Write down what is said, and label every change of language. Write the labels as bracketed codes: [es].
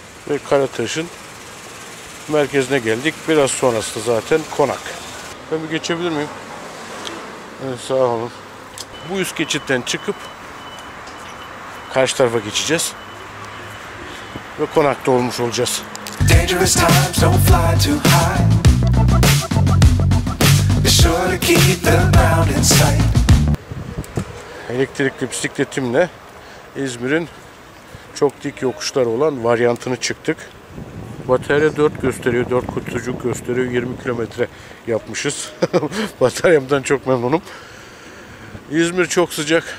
[tr] Ve Karataş'ın merkezine geldik. Biraz sonrası zaten konak. Ben bir geçebilir miyim? Evet, sağ olun. Bu üst geçitten çıkıp karşı tarafa geçeceğiz. Ve konakta olmuş olacağız. [en] Dangerous times don't fly too high. Be sure to keep the mountain sight. [tr] Elektrikli bisikletimle İzmir'in çok dik yokuşları olan varyantını çıktık. Batarya 4 gösteriyor, 4 kutucuk gösteriyor. 20 kilometre yapmışız. Bataryamdan çok memnunum. İzmir çok sıcak.